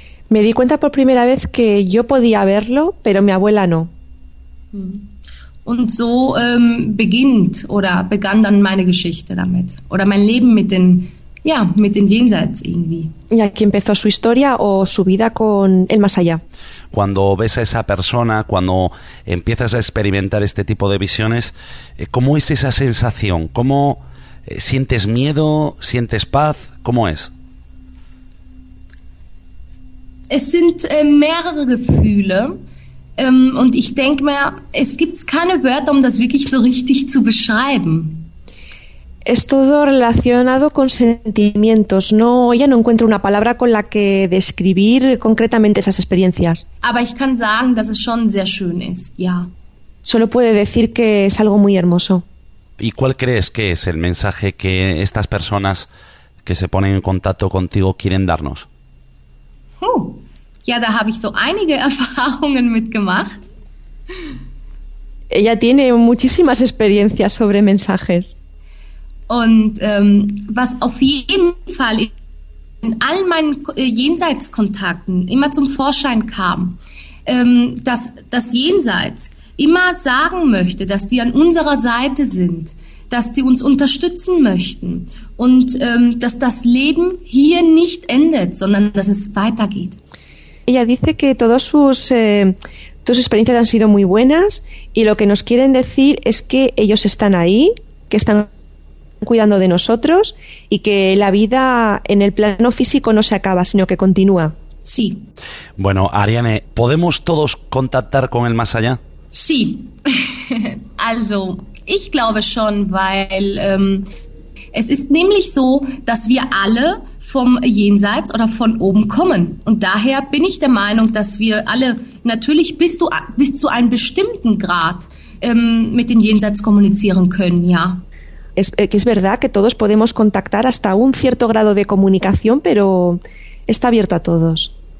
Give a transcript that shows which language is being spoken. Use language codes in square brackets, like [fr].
[es] Me di cuenta por primera vez que yo podía verlo, pero mi abuela no. [de] Und so beginnt oder begann dann meine Geschichte damit oder mein Leben mit den ja, mit den Jenseits irgendwie. [es] Y aquí empezó su historia o su vida con el más allá. Cuando ves a esa persona, cuando empiezas a experimentar este tipo de visiones, ¿cómo es esa sensación? ¿Cómo sientes miedo? ¿Sientes paz? ¿Cómo es? [de] Es sind mehrere Gefühle. Und ich denke mir, es gibt keine Wörter, um das wirklich so richtig zu beschreiben. [es] Es todo relacionado con sentimientos. No, ya no encuentro una palabra con la que describir concretamente esas experiencias. [de] Aber ich kann sagen, dass es schon sehr schön ist, ja. [es] Solo puede decir que es algo muy hermoso. ¿Y cuál crees que es el mensaje que estas personas que se ponen en contacto contigo quieren darnos? [de] Ja, da habe ich so einige Erfahrungen mitgemacht. [es] Ella tiene muchísimas experiencias sobre mensajes. [de] Und was auf jeden Fall in all meinen Jenseitskontakten immer zum Vorschein kam, dass das Jenseits immer sagen möchte, dass die an unserer Seite sind, dass die uns unterstützen möchten und dass das Leben hier nicht endet, sondern dass es weitergeht. [es] Ella dice que todas sus experiencias han sido muy buenas y lo que nos quieren decir es que ellos están ahí, que están cuidando de nosotros y que la vida en el plano físico no se acaba, sino que continúa. Sí. Bueno, Ariane, ¿podemos todos contactar con el más allá? Sí. [de] Also, ich glaube schon, weil es ist nämlich so, dass wir alle vom Jenseits oder von oben kommen. Und daher bin ich der Meinung, dass wir alle, natürlich bis zu einem bestimmten Grad mit dem Jenseits kommunizieren können, ja. [es] Es verdad que todos podemos contactar hasta un cierto grado de comunicación, pero está abierto a todos.